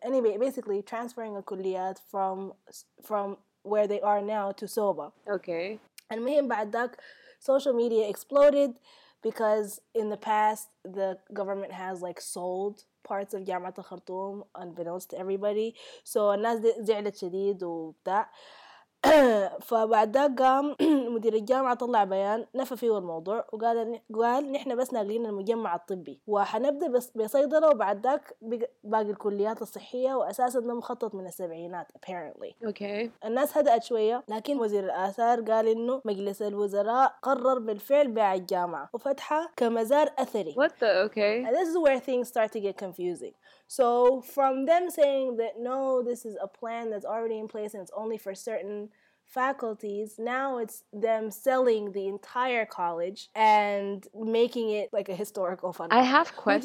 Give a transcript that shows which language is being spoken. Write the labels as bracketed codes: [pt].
[en] Anyway, basically transferring a kulliyat from where they are now to Soba. Okay. And [ar] مهم بعد ذاك, [en] social media exploded because in the past the government has like sold parts of Jam'at al-Khartoum unbeknownst to everybody. [ar] So الناس زعلت شديد وبتاع. فبعد ذاك قام مدير الجامعة طلع بيان نفى فيه الموضوع وقال نحن بس ناقلين المجمع الطبي وحنبدأ بصيدلة وبعد ذاك باقي الكليات الصحية وأساسا ده مخطط من السبعينات [en] apparently. Okay. [ar] الناس هدأت شوية لكن وزير الآثار قال إنه مجلس الوزراء قرر بالفعل بيع الجامعة وفتحها كمزار أثري. [en] What the, okay. And this is where things start to get confusing. So from them saying that, no, this is a plan that's already in place and it's only for certain faculties, now it's them selling the entire college and making it like a historical fund. I have questions.